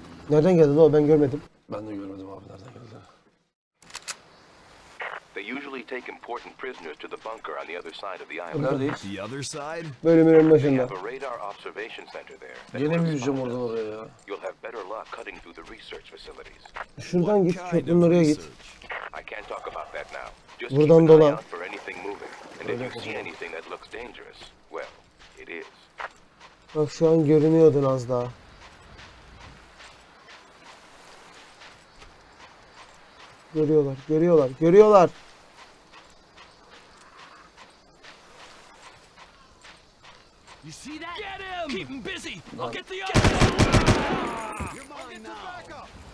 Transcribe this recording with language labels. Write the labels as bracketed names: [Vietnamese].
[Turkish] Nereden geldi lan? Ben görmedim. Ben de görmedim abi, nereden geldi. [English] They usually take important prisoners to the bunker on the other side of the island. [Turkish] Neredeyiz? [English] The other side? [Turkish] Bölümün ön başında. [English] They have a radar observation center there. [Turkish] Yine mi yüzeceğim orada oraya ya? [English] You'll have better luck cutting through the research facilities. [Turkish] Şuradan git, köprünün oraya git. [English] I can't talk about that now. Just [Turkish] buradan dola. [English] And if you see anything that looks dangerous, well, it is. [Turkish] Bak şu an görünüyordun az daha. Görüyorlar, görüyorlar, görüyorlar. [English] You see that? Get him! Keep him busy. Look at the other. You're mine now.